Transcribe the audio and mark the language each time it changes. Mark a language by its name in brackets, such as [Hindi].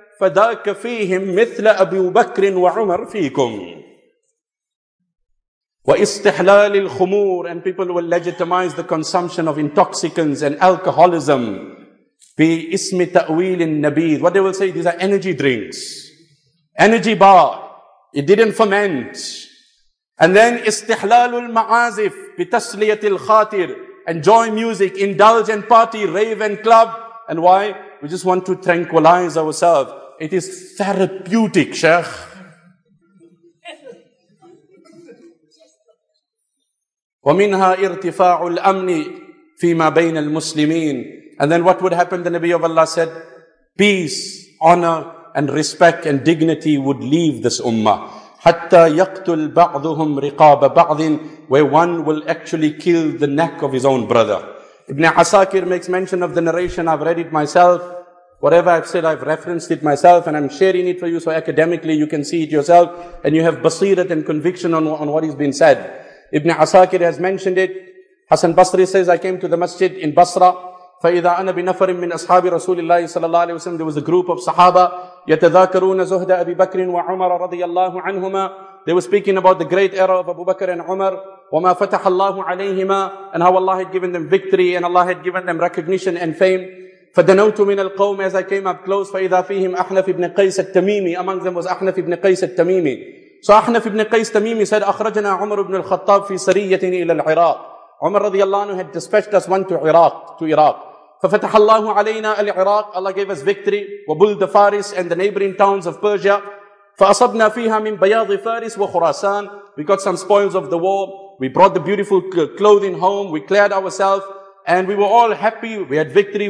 [Arabic] فذاك فيهم مثل أبي بكر وعمر فيكم. واستحلال الخمور, [English] and people will legitimize the consumption of intoxicants and alcoholism [Arabic] في اسم تأويل النبيذ. [English] What they will say, these are energy drinks, energy bar, it didn't ferment. And then [Arabic] استحلال المعازف بتسلية الخاطر, [English] enjoy music, indulge and party, rave and club. And why? We just want to tranquilize ourselves. It is therapeutic, Sheikh. [Arabic] ومنها ارتفاع الأمن فيما بين المسلمين. [English] And then what would happen? The Nabi of Allah said, peace, honor, and respect and dignity would leave this ummah. [Arabic] حَتَّى يَقْتُلْ بَعْضُهُمْ رِقَابَ بَعْضٍ, [English] where one will actually kill the neck of his own brother. Ibn Asakir makes mention of the narration. I've read it myself. Whatever I've said, I've referenced it myself, and I'm sharing it for you so academically you can see it yourself and you have basirat and conviction on what has been said. Ibn Asakir has mentioned it. Hassan Basri says, I came to the masjid in Basra. [Arabic] فَإِذَا أَنَا بِنَفَرٍ مِّنْ أَصْحَابِ رَسُولِ اللَّهِ صَلَى اللَّهِ عَلَيْهِ وَسَلَّمَ, [English] there was a group of Sahaba, [Arabic] يَتَذَاكَرُونَ زُهْدَ أَبِي بَكْرٍ وَعُمَرَ رَضِيَ اللَّهُ عَنْهُمَا, [English] they were speaking about the great era of Abu Bakr and Umar, [Arabic] وَمَا فَتَحَ اللَّهُ عَلَيْهِمَا, [English] and how Allah had given them victory and Allah had given them recognition and fame. [Arabic] فَدَنَوْتُ مِنَ الْقَوْمِ, [English] as I came up close, [Arabic] فَإِذَا فِيهِمْ أَحْنَفْ ابْنِ قَيْسَ التَّمِيمِ, [English] among them was [Arabic] أَحْنَفْ ابْنِ قَيْسَ التَّمِيمِ. So أَحْنَفْ ابْنِ قَيْسَ التَّمِيمِ said, أَخْرَجَنَا عُمَرُ ابْنُ الْخَطَّابِ فِي سَرِيَّةٍ إِلَى الْعِرَاقِ, [English] Umar radiallahu anhu had dispatched us one to Iraq. [Arabic] فَفَتَحَ اللَّهُ عَلَيْنَا الْعِرَاقِ, [English] Allah gave us victory. [Arabic] وَبُلْدَ فَارِسِ, [English] and the neighboring towns of Persia. [Arabic] فَأَصَبْنَا فِيهَا مِنْ بَيَاضِ فَارِسِ وَخُرَاسَانِ, [English] we got some spoils of the war. We brought the beautiful clothing home. We cleared ourselves. And we were all happy. We had victory.